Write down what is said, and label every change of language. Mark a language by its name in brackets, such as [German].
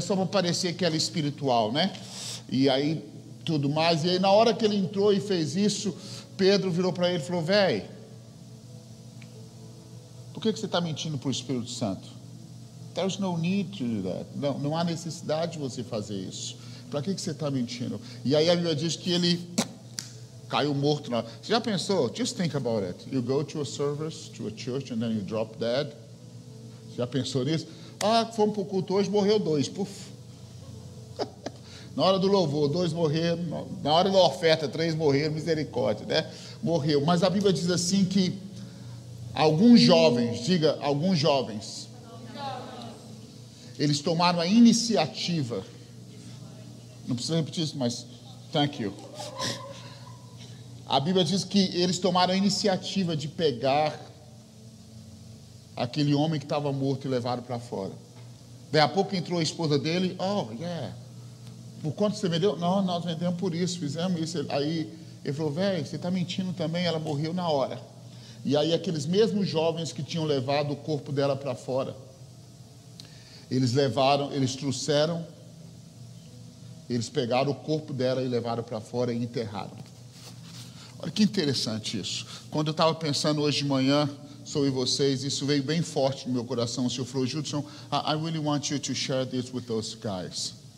[Portuguese] Só para parecer que era espiritual, né? E aí tudo mais. E aí, na hora que ele entrou e fez isso, Pedro virou para ele e falou: véi, por que você está mentindo para o Espírito Santo? [English] There's no need to do that. [Portuguese] Não há necessidade de você fazer isso. Para que você está mentindo? E aí a Bíblia diz que ele caiu morto. Você já pensou? [English] Just think about it. You go to a service, to a church, and then you drop dead. [Portuguese] Você já pensou nisso? Ah, fomos para o culto hoje, morreu dois. Puf. Na hora do louvor, dois morreram. Na hora da oferta, três morreram. Misericórdia, né? Morreu. Mas a Bíblia diz assim que alguns jovens, diga, alguns jovens, eles tomaram a iniciativa. Não precisa repetir isso, mas [English] thank you. [Portuguese] A Bíblia diz que eles tomaram a iniciativa de pegar aquele homem que estava morto e levaram para fora. Daí a pouco entrou a esposa dele: oh, yeah, por quanto você vendeu? Não, nós vendemos por isso, fizemos isso. Aí ele falou: véi, você está mentindo também, ela morreu na hora. E aí aqueles mesmos jovens que tinham levado o corpo dela para fora, eles pegaram o corpo dela e levaram para fora e enterraram. Olha que interessante isso. Quando eu estava pensando hoje de manhã sobre vocês, isso veio bem forte no meu coração. O senhor falou: [English] Judson, I really want you to share this with those guys.